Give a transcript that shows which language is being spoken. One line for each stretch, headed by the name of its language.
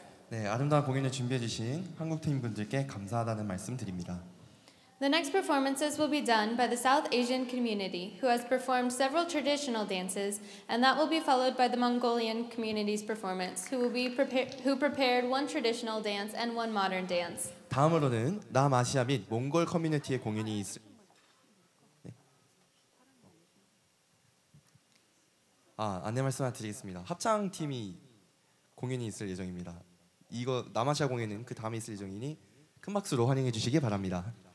Korean: 네, 아름다운 공연을 준비해 주신 한국 팀 분들께 감사하다는 말씀 드립니다.
English: The next performances will be done by the South Asian community who has performed several traditional dances and that will be followed by the Mongolian community's performance who prepared one traditional dance and one modern dance.
Korean: 다음으로는 남아시아 및 몽골 커뮤니티의 공연이 안내 말씀을 드리겠습니다. 합창팀이 공연이 있을 예정입니다. 이거 남아시아 공연은 그 다음에 있을 예정이니 큰 박수로 환영해 주시기 바랍니다.